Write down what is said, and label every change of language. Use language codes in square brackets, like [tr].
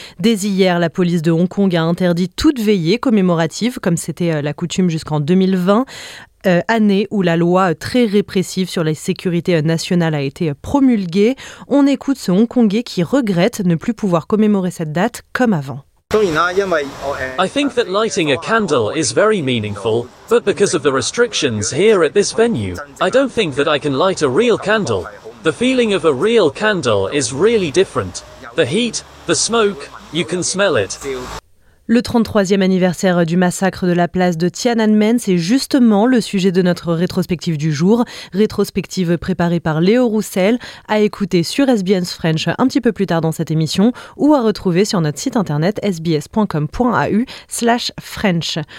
[fr] Dès hier, la police de Hong Kong a interdit toute veillée commémorative, comme c'était la coutume jusqu'en 2020. Année où la loi très répressive sur la sécurité nationale a été promulguée. On écoute ce Hongkongais qui regrette ne plus pouvoir commémorer cette date comme avant. [en] I think that lighting a candle is very meaningful, but because of the restrictions here at this venue, I don't think that I can light a real candle. The feeling of a real candle is really different. The heat, the smoke, you can smell it. [fr] Le 33e anniversaire du massacre de la place de Tiananmen, c'est justement le sujet de notre rétrospective du jour. Rétrospective préparée par Léo Roussel, à écouter sur SBS French un petit peu plus tard dans cette émission ou à retrouver sur notre site internet sbs.com.au/french.